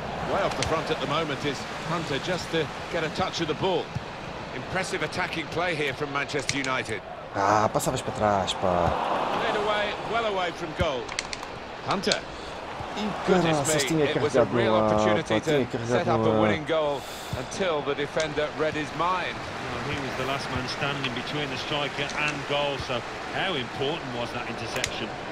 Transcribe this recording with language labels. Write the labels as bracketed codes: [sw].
[en] Way off the front at the moment is Hunter just to get a touch of the ball. Impressive attacking play here from Manchester United. [pt] Ah, passavas para trás, pá. [en] Played away, well away from goal. Hunter. [pt] Caraças, tinha carregado no ar, pá, tinha carregado no ar. [en] Until the defender read his mind. He was the last man standing between the striker and goal, so how important was that interception?